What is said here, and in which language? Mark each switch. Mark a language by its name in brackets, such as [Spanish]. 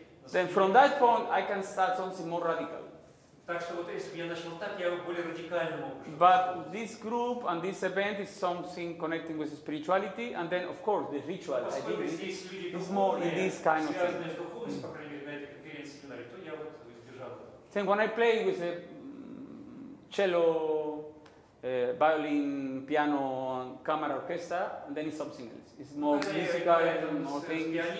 [English] Then from that point, I can start something more radical. [Russian] Так что вот если бы я начал так, я бы более радикально мог. [English] But this group and this event is something connecting with spirituality, and then of course the ritual. [Russian] Ну, поскольку здесь люди духовные, [English] more in this kind of [Russian] связанные с духовностью, по крайней мере, на этой конференции, то я вот сдержал. [English] Then when I play with a cello, violin, piano, camera orchestra, and then it's something else. It's more musical, more things.